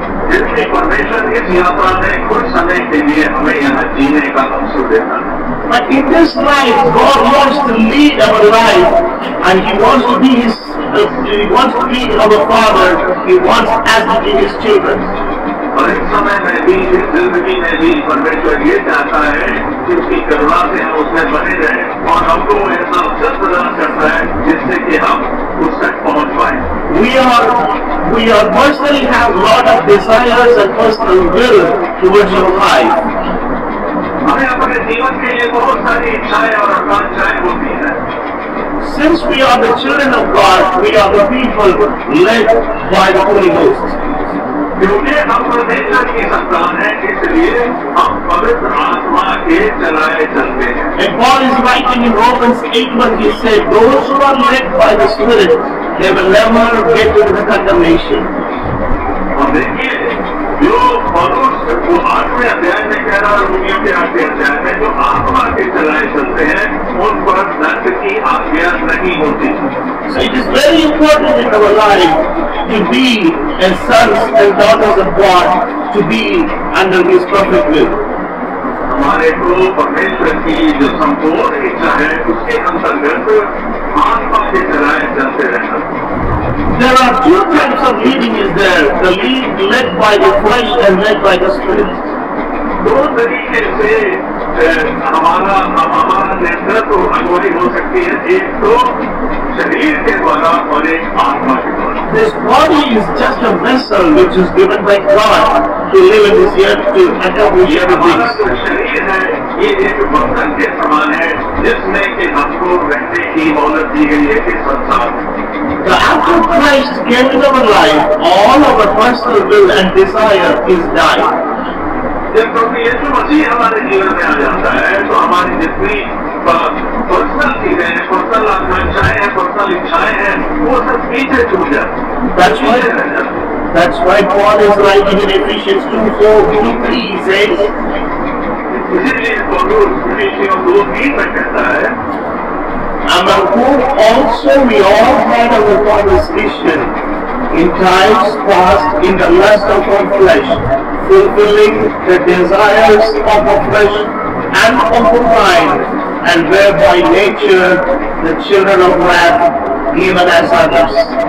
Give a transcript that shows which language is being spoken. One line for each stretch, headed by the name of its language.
English: Information is But in this life, God wants to lead our life, and He wants to be His. He wants to be our Father. He wants us to be His children.
Hindi: और इस समय में भी इस जिंदगी में भी परमेश्वर ये चाहता है कि उसकी करुणा से हम उसमें बने रहे और हमको ऐसा अवसर प्रदान करता है जिससे कि हम उस तक पहुंच पाए.
English: We are personally have a lot of desires and personal will towards your life.
Hindi: हमें अपने जीवन के लिए बहुत सारी इच्छाएं और आकांक्षाएं होती हैं.
English: Since we are the children of God, we are the people led by the Holy Ghost.
Hindi: क्योंकि हम परमेश्वर के संतान हैं, इसलिए हम पवित्र आत्मा के चलाए चलते हैं.
English: Paul is writing in Romans 8:1, he said, those who are led by the Spirit, they will never get into condemnation.
Hindi: और देखिए, जो पौलुस को आठवें अध्याय में कह रहा है और रोमियों के आठवें अध्याय में, जो आत्मा के चलाए चलते हैं, उन पर नरक की आज्ञा नहीं होती.
English: So it is very important in our life to be as sons and daughters of God, to be under His perfect will.
Hindi: हमारे को परमेश्वर की जो संपूर्ण इच्छा है उसके अंतर्गत आत्मा के चलाए चलते रहना.
English: There are two types of leading is there, the lead led by the flesh and led by the spirit.
Hindi: दो तरीके से हमारा नेतृत्व अगुवाई हो सकती है, एक तो शरीर के द्वारा और एक आत्मा के द्वारा.
English: This body is just a vessel which is given by God to live in this earth, to accomplish everything.
Hindi: ये हमारा जो शरीर है, ये एक बर्तन के समान है जिसमें कि हमको रहने की मौलत दी गई है इस संसार में.
English: So after Christ came into our life, all our personal will and desire is dying.
Hindi: जब प्रभु यीशु मसीह हमारे जीवन में आ जाता है तो हमारी जितनी पर्सनल चीजें हैं, पर्सनल आकांक्षाएं हैं, पर्सनल इच्छाएं हैं, वो सब पीछे छूट जाती है.
English: That's why Paul is writing in Ephesians 2:4-3, he says.
Hindi: इसीलिए पौलुस इफिसियों 2:3 में कहता है,
English: among whom also we all had our conversation in times past in the lust of our flesh, fulfilling the desires of our flesh and of our mind, and were by nature the children of wrath, even as others.